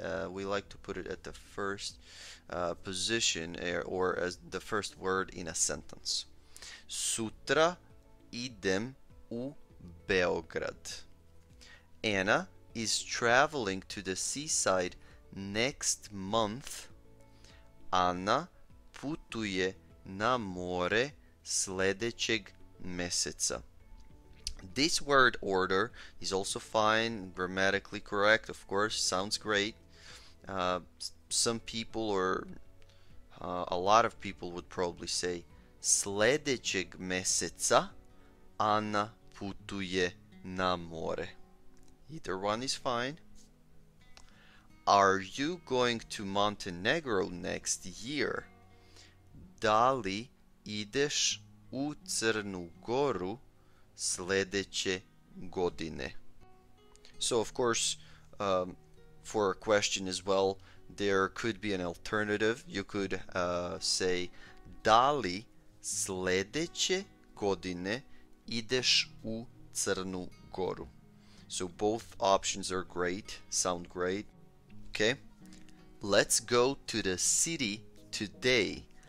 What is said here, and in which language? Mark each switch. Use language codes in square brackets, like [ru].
[en] We like to put it at the first position or as the first word in a sentence. [sr] Sutra idem u Beograd. [en] Anna is traveling to the seaside next month. [sr] Anna putuje na more sledećeg meseca. [en] This word order is also fine, grammatically correct, of course, sounds great. Some people or a lot of people would probably say sledećeg meseca Anna putuje na more. Either one is fine. Are you going to Montenegro next year? [sr] Da li ideš u Crnu Goru sledeće godine? [en] So of course, for a question as well, there could be an alternative. [sr] You could say, da li sledeće godine ideš u Crnu Goru? [en] So both options are great, sound great. Okay, let's go to the city today.